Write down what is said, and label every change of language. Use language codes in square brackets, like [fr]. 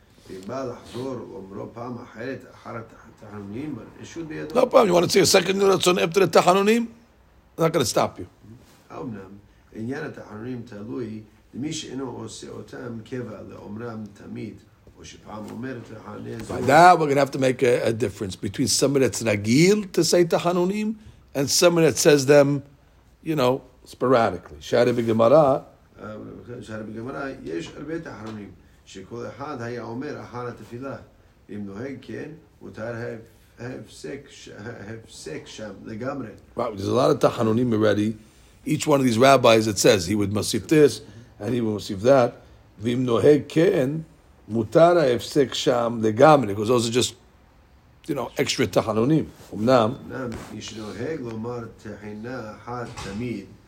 [he] ובא לחזור ואומרו פעם אחרת אחר התחנונים, רשות בידו. לא פעם, [en] you want to see a second new רצון after the תחנונים? I'm not going to stop you. [he] אמנם, עניין התחנונים תלוי למי שאינו עושה אותם קבע לאומרם תמיד, או שפעם אומר תחנה זו. [en] By now we're going to have to make a difference between somebody that's רגיל to say תחנונים and somebody that says them, you know, sporadically. [he] שערי בגמרא, שער בגמרא, יש הרבה תחנונים שכל אחד היה אומר אחר התפילה. אם נוהג כן, מותר הפסק שם לגמרי. [en] Wow, there's a lot of תחנונים already. Each one of these rabbis, it says, he would מוסיף this, and he would מוסיף that. [he] ואם נוהג כן, מותר הפסק שם לגמרי. [en] Because those are just, you know, extra תחנונים. אמנם. [he] אמנם, יש נוהג לומר תחינה אחת תמיד.